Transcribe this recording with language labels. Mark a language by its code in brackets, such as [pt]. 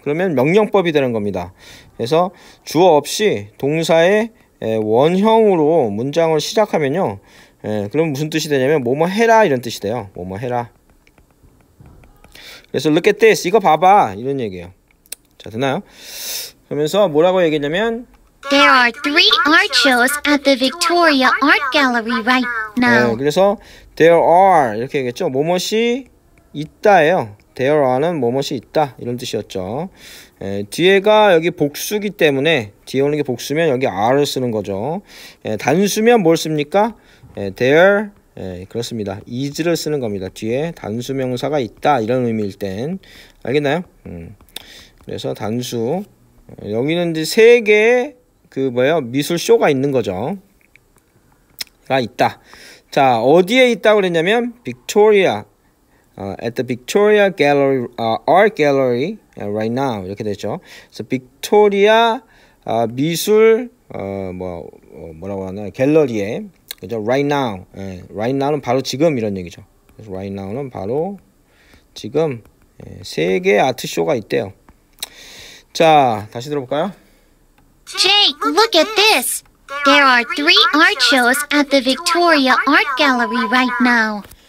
[ko] 그러면 명령법이 되는 겁니다. 그래서 주어 없이 동사의 원형으로 문장을 시작하면요, 예, 그럼 무슨 뜻이 되냐면 뭐뭐 해라 이런 뜻이 돼요. 뭐뭐 해라. 그래서 [en] look at this, [ko] 이거 봐봐 이런 얘기예요. 자, 되나요? 그러면서 뭐라고 얘기했냐면 [en] There are three art shows at the Victoria Art Gallery right now. [ko] 예, 그래서 there are 이렇게 얘기했죠. 뭐뭐시 있다예요. There are는 뭐뭐시 있다 이런 뜻이었죠. 예, 뒤에가 여기 복수기 때문에 뒤에 오는 게 복수면 여기 are를 쓰는 거죠. 예, 단수면 뭘 씁니까? 예, there, 예, 그렇습니다. is를 쓰는 겁니다. 뒤에 단수명사가 있다 이런 의미일 땐 알겠나요? 그래서 단수 여기는 이제 세 개의 그 뭐예요? 미술 쇼가 있는 거죠. 가 있다. 자, 어디에 있다고 그랬냐면 빅토리아 [en] at the Victoria Gallery art gallery right now [ko] 이렇게 되죠. 그래서 빅토리아 미술 뭐라고 하나 갤러리에 그죠? [en] Right now. 예. [ko] Right now는 바로 지금 이런 얘기죠. Right now는 바로 지금 예. 세 개의 아트쇼가 있대요. 자, 다시 들어볼까요? [en] Jake, look at this. There are three art shows at the Victoria Art Gallery right now.